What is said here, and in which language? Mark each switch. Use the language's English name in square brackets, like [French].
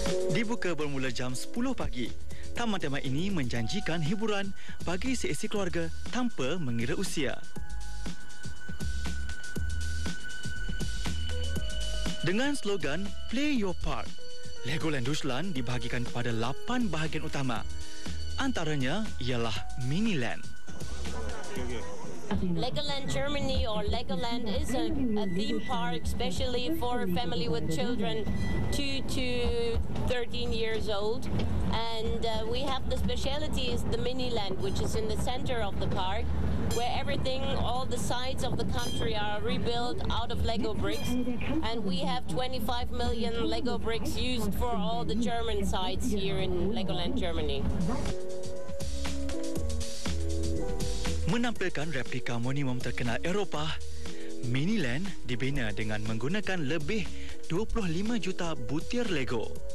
[Malay] Dibuka bermula jam 10 pagi. Taman tema ini menjanjikan hiburan bagi seisi keluarga tanpa mengira usia. Dengan slogan Play Your Part, Legoland Deutschland dibahagikan kepada 8 bahagian utama. Antaranya ialah Miniland. [English] Legoland Germany or Legoland is a theme park especially for family with children 2 to 13 years old, and we have the specialty is the Miniland, which is in the center of the park, where everything, all the sides of the country are rebuilt out of Lego bricks, and we have 25 million Lego bricks used for all the German sites here in Legoland Germany. [Malay] Menampilkan replika monumen terkenal Eropah, Miniland dibina dengan menggunakan lebih 25 juta butir Lego.